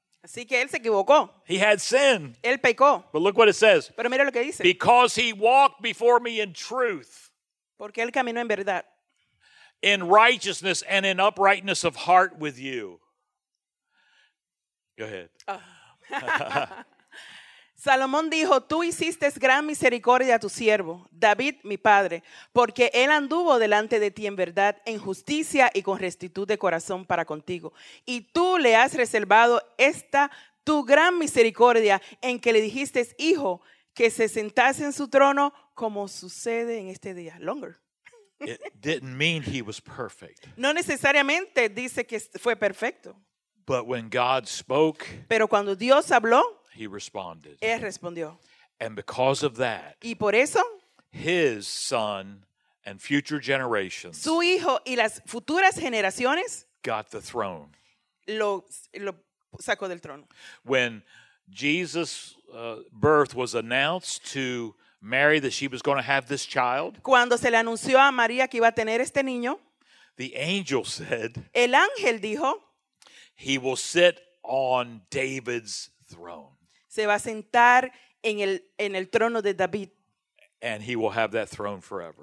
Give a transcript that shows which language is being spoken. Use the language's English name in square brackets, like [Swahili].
[Spanish] Así que él se equivocó. [English] He had sin. [Spanish] Él pecó. [English] But look what it says. [Spanish] Pero mira lo que dice. [English] Because he walked before me in truth. [Spanish] Porque él caminó en verdad. [English] In righteousness and in uprightness of heart with you. Go ahead. [Spanish] Salomón dijo, tú hiciste gran misericordia a tu siervo, David, mi padre, porque él anduvo delante de ti en verdad, en justicia y con rectitud de corazón para contigo. Y tú le has reservado esta tu gran misericordia en que le dijiste, hijo, que se sentase en su trono como sucede en este día. [English] Longer. It didn't mean he was perfect. [Spanish] No necesariamente dice que fue perfecto. [English] But when God spoke, [Spanish] pero cuando Dios habló, [English] he responded. [Spanish] Él respondió. [English] And because of that, [Spanish] y por eso, [English] his son and future generations, [Spanish] su hijo y las futuras generaciones, [English] got the throne. [Spanish] Lo sacó del trono. [English] When Jesus' birth was announced to Mary that she was going to have this child, [Spanish] cuando se le anunció a María que iba a tener este niño, [English] the angel said, [Spanish] el ángel dijo, [English] he will sit on David's throne. [Spanish] Se va a sentar en el trono de David. [English] And he will have that throne forever.